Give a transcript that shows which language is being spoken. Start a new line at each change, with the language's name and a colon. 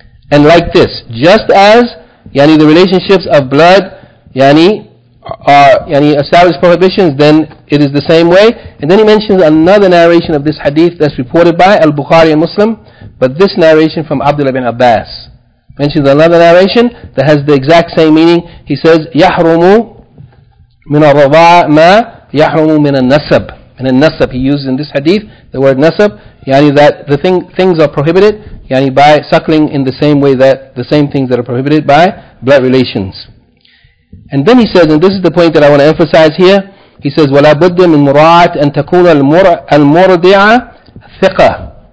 English: And like this, just as yani the relationships of blood yani are yani established prohibitions, then it is the same way. And then he mentions another narration of this hadith that's reported by Al-Bukhari and Muslim, but this narration from Abdullah ibn Abbas mentions another narration that has the exact same meaning. He says,
Arabic: يَحْرُمُ مِنَ الرَّضَاءَ مَا يَحْرُمُ مِنَ النَّسَبِ.
English: And in nasab, he uses in this hadith the word nasab, yani that the things are prohibited, yani by suckling in the same way that the same things that are prohibited by blood relations. And then he says, and this is the point that I want to emphasize here, he says,
Arabic: وَلَا بُدِّ مِنْ مُرَاعَةِ أَن تَكُونَ الْمُرْضِعَ ثِقَةً.